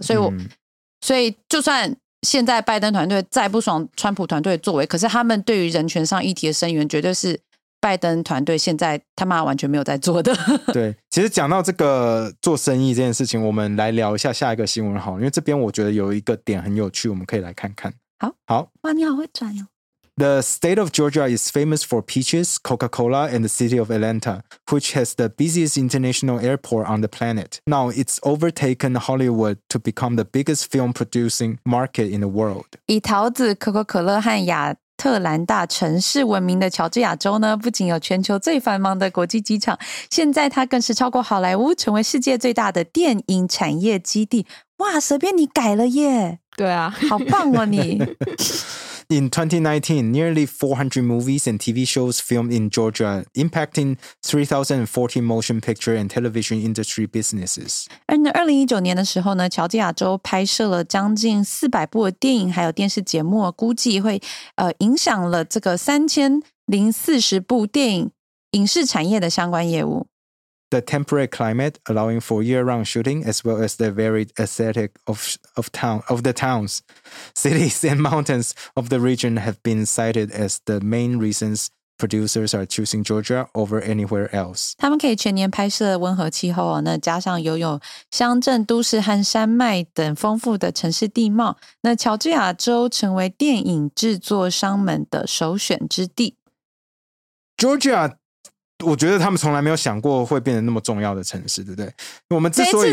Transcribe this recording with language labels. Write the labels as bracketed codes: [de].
[zh] 所以所以就算现在拜登团队再不爽川普团队的作为，可是他们对于人权上议题的声援，绝对是拜登团队现在他妈完全没有在做的。对，其实讲到这个做生意这件事情，我们来聊一下下一个新闻好了，因为这边我觉得有一个点很有趣，我们可以来看看。好好，哇，你好会转哦。 [en] The state of Georgia is famous for peaches, Coca-Cola and the city of Atlanta, which has the busiest international airport on the planet. Now it's overtaken Hollywood to become the biggest film producing market in the world. [zh] 以桃子、可口可乐和亚特兰大城市闻名的乔治亚州呢，不仅有全球最繁忙的国际机场，现在它更是超过好莱坞，成为世界最大的电影产业基地。哇，随便你改了耶。对啊，好棒哦你。 [en] in 2019, nearly 400 movies and TV shows filmed in Georgia, impacting 3,040 motion picture and television industry businesses. [zh] 2019年的时候呢，乔治亚州拍摄了将近400部的电影还有电视节目，估计会影响了这个3040部电影影视产业的相关业务。 [en] The temperate climate allowing for year-round shooting as well as the varied aesthetic of the towns, cities and mountains of the region have been cited as the main reasons producers are choosing Georgia over anywhere else. [zh] 他们可以全年拍摄温和气候，那加上拥有乡镇都市和山脉等丰富的城市地貌，那乔治亚州成为电影制作商们的首选之地。 Georgia我觉得他们从来没有想过会变得那么重要的城市，对不对？我们之所以